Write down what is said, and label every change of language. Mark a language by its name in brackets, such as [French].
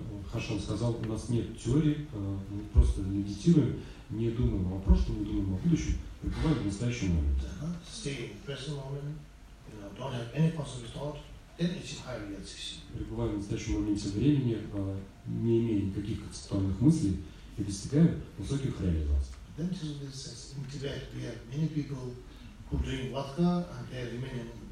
[Russian] Хашан сказал: у нас нет теории, мы просто медитируем, не думаем о прошлом, не думаем о будущем, пребываем в настоящем моменте. [English] Stay in the present moment, don't have any positive thought, then it's a higher realization. [Russian] Пребываем в настоящем моменте времени, не имея никаких концептуальных мыслей, и достигаем высоких реализаций. [English] Then to this, in Tibet, we have many people who drink vodka, and they remain,